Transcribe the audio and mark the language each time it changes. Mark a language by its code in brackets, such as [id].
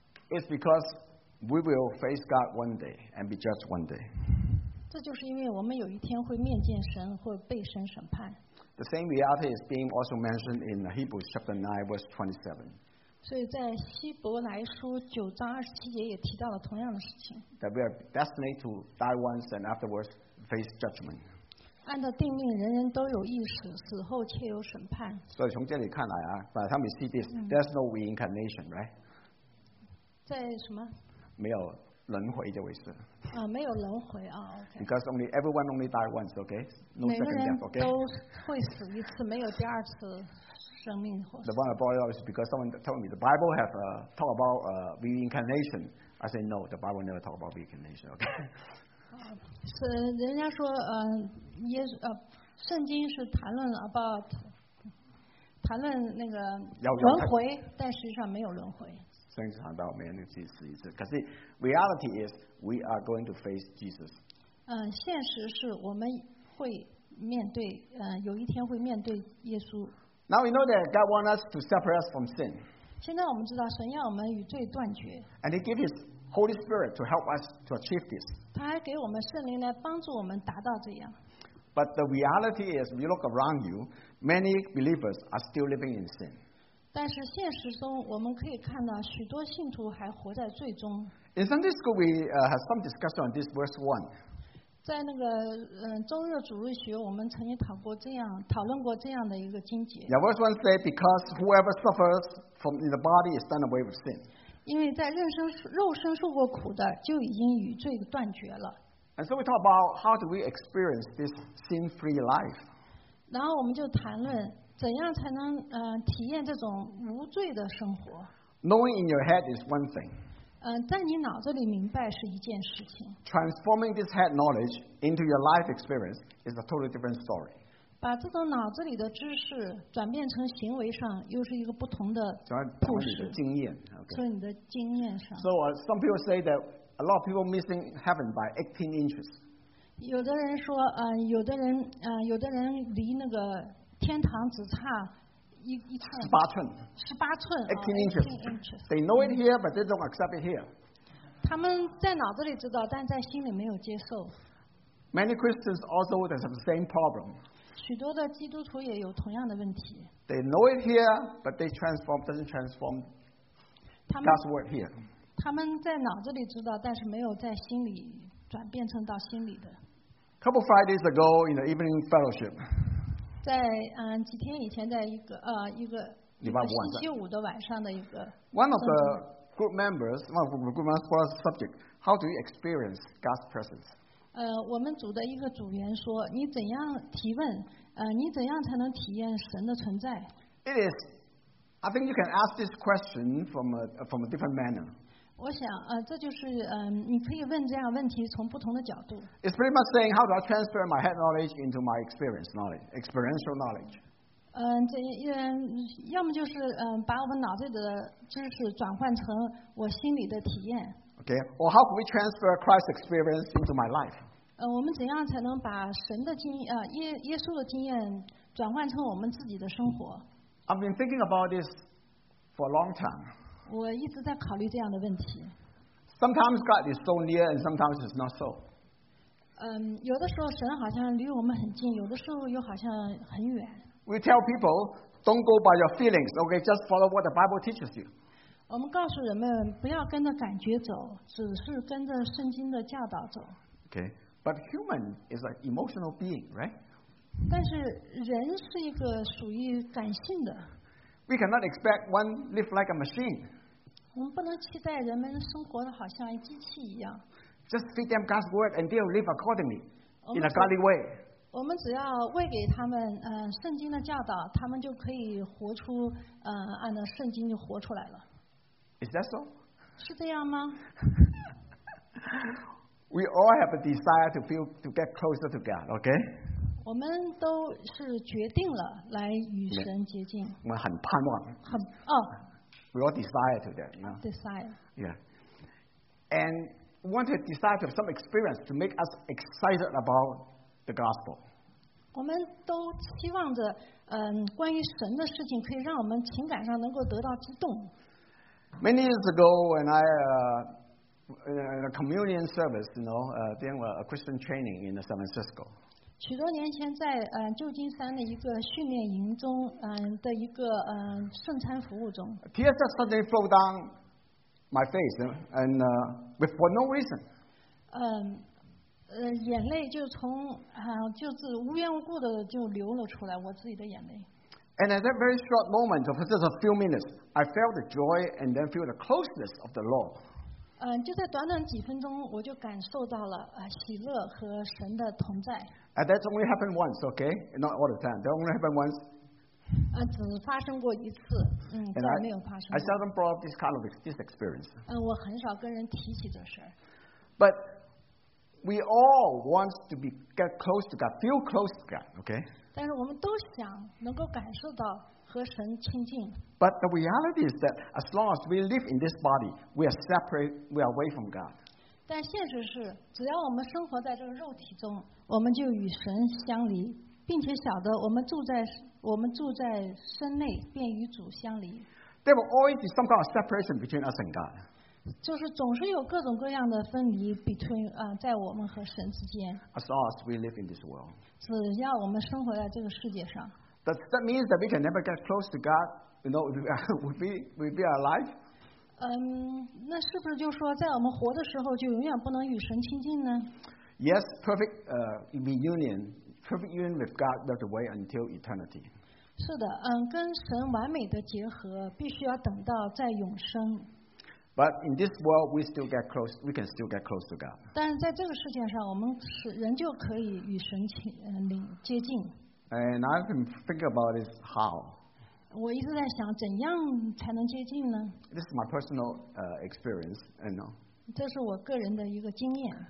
[en] It's because we will face God one day and be judged one day. [zh] 这就是因为我们有一天会面见神，会被神审判。 [en] The same reality is being also mentioned in Hebrews chapter 9, verse 27. [zh] 所以在希伯来书九章二十七节也提到了同样的事情。 [en] That we are destined to die once and afterwards face judgment. [zh] 按照定命，人人都有一死，死后却有审判。所以从这里看来啊，把他们 [en] see this, there's no reincarnation, right? [zh] 在什么？没有轮回这回事。啊，没有轮回啊。Okay. [en] Because everyone only die once, okay? No second death, okay? [zh] 每个人都会死一次，没有第二次。 [en] The one I brought up is because someone told me the Bible has talked about reincarnation. I said, no, the Bible never talked about reincarnation. Okay. [zh] 是人家说，耶稣圣经是谈论那个轮回，但实际上没有轮回。圣经谈到没有那个死一次，可是 [en] reality is we are going to face Jesus. [zh] 现实是我们会面对，有一天会面对耶稣。 [en] Now we know that God wants us to separate us from sin. [zh] 现在我们知道神要我们与罪断绝。 [en] And He gives His Holy Spirit to help us to achieve this. [zh] 他还给我们圣灵来帮助我们达到这样。 [en] But the reality is, we look around you, many believers are still living in sin. [zh] 但是现实中我们可以看到许多信徒还活在罪中。 [en] In Sunday school, we had some discussion on this verse 1. [zh] 在那个周日主日学，我们曾经讨论过这样的一个经节。 [en] Yeah, verse 1 says, because whoever suffers from in the body is done away with sin. [zh] 因为在肉身受过苦的，就已经与罪断绝了。 [en] And so we talk about how do we experience this sin-free life. [zh] 然后我们就谈论怎样才能体验这种无罪的生活。 [en] Knowing in your head is one thing. [zh] 在你脑子里明白是一件事情。 [en] Transforming this head knowledge into your life experience is a totally different story. [zh] 把这种脑子里的知识转变成行为上，又是一个不同的故事。转变你的经验，从你的经验上。 [en] So some people say that a lot of people missing heaven by 18 inches. [zh] 有的人说，有的人离那个天堂只差。 [en] 18 inches. Eighteen inches. They know it here, but they don't accept it here. [zh] 他们在脑子里知道，但在心里没有接受。 [en] Many Christians also have the same problem. [zh] 许多的基督徒也有同样的问题。 [en] They know it here, but they transform doesn't transform God's word here. [zh] 他们在脑子里知道，但是没有在心里转变成到心里的。 [en] Couple Fridays ago in the evening fellowship. [zh] 在几天以前，在一个星期五的晚上的一个。 [en] One of the group members, one of the group members for the subject, how do you experience God's presence? [zh] 我们组的一个组员说，你怎样提问？你怎样才能体验神的存在 [en] ？It is. I think you can ask this question from a different manner. [zh] 我想，这就是你可以问这样问题，从不同的角度。 [en] It's pretty much saying how do I transfer my head knowledge into my experience knowledge, experiential knowledge. [zh] 要么就是把我们脑子的知识转换成我心里的体验。 [en] Okay. Or how can we transfer Christ's experience into my life? [zh] 我们怎样才能把神的经耶稣的经验转换成我们自己的生活 [en] ？I've been thinking about this for a long time. [zh] 我一直在考虑这样的问题。 [en] Sometimes God is so near, and sometimes it's not so. [zh] 有的时候神好像离我们很近，有的时候又好像很远。 [en] We tell people, don't go by your feelings. Okay, just follow what the Bible teaches you. [zh] 我们告诉人们不要跟着感觉走，只是跟着圣经的教导走。 [en] Okay, but human is an emotional being, right? [zh] 但是人是一个属于感性的。 [en] We cannot expect one live like a machine. [zh] 我们不能期待人们生活的好像机器一样。 [en] Just feed them God's word and they'll live accordingly in a godly way. [zh] 我们只要喂给他们圣经的教导，他们就可以活出按照圣经就活出来了。 [en] Is that so? [zh] 是这样吗？ [en] We all have a desire to feel to get closer to God, okay? [zh] 我们都是决定了来与神接近。我们很盼望。很 [en] We all desire to that. Desire. Yeah. And want to desire to have some experience to make us excited about the gospel. [zh] 我们都期望着关于神的事情可以让我们情感上能够得到激动。 [en] Many years ago, when I in a communion service, you know, then were a Christian training in San Francisco. [zh] 许多年前在旧金山的一个训练营中，的一个圣餐服务中。 [en] Tears just suddenly flow down my face, and for no reason. [zh] 眼泪就从就是无缘无故的就流了出来，我自己的眼泪。 [en] And at that very short moment, of just a few minutes, I felt the joy and then feel the closeness of the Lord. [zh] 就在短短几分钟，我就感受到了喜乐和神的同在。 [en] And that only happened once, okay? Not all the time. That only happened once. [zh] 只发生过一次，再没有发生过。 [en] I seldom brought up this kind of this experience. [zh] 我很少跟人提起这事。 [en] But we all want to be get close to God, feel close to God, okay? [zh] 但是我们都想能够感受到和神亲近。 [en] But the reality is that as long as we live in this body, we are separate, we are away from God. [zh] 但现实是，只要我们生活在这个肉体中，我们就与神相离，并且晓得我们住在身内，便与主相离。 [en] There will always be some kind of separation between us and God. [zh] 就是总是有各种各样的分离 [en] between [zh] 在我们和神之间。 [en] As long as we live in this world. [zh] 只要我们生活在这个世界上 [en] that means that we can never get close to God you know we be alive [zh] 那是不是就说在我们活的时候就永远不能与神亲近呢 [en] yes perfect reunion perfect union with God that way until eternity [zh] 是的跟神完美的结合必须要等到在永生 [en] but in this world we still get close we can still get close to God [zh] 但在这个世界上我们仍旧可以与神接近 [en] and I've been thinking about this how [zh] 我一直在想怎样才能接近呢 [en] this is my personal experience and no [zh] 这是我个人的一个经验